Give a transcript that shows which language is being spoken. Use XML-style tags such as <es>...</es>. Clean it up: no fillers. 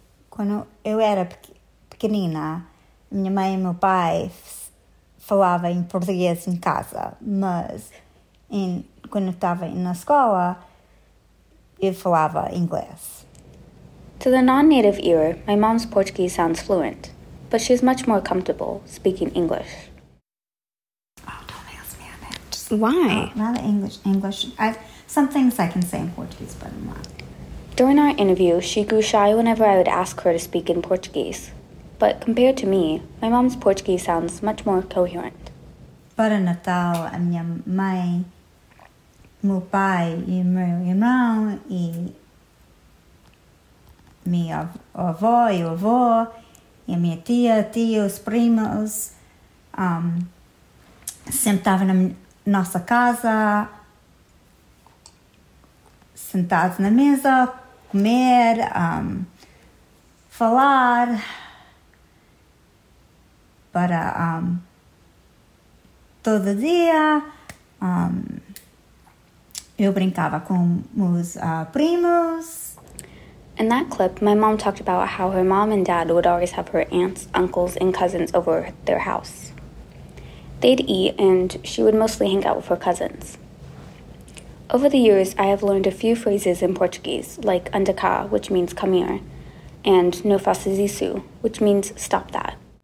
<pt>Quando eu era pequenina, minha mãe e meu pai falavam em português em casa, mas quando estava na escola, eu falava inglês.</pt> <en>To the non-native ear, my mom's Portuguese sounds fluent, but she's much more comfortable speaking English. Why? Not English. English. Some things I can say in Portuguese, but I'm not. During our interview, she grew shy whenever I would ask her to speak in Portuguese. But compared to me, my mom's Portuguese sounds much more coherent.</en> <pt>Para Natal, a minha mãe, meu pai e meu irmão e minha avó e avô e a minha tia, tios, primos, sempre tava na nossa casa, sentados na mesa, comer, falar, para todo dia, eu brincava com meus primos.</pt> <en>In that clip, my mom talked about how her mom and dad would always have her aunts, uncles, and cousins over their house. They'd eat, and she would mostly hang out with her cousins. Over the years, I have learned a few phrases in Portuguese, like andacá, which means come here, and</en> <pt>no faças isso,</pt> <en>which means stop that.</en>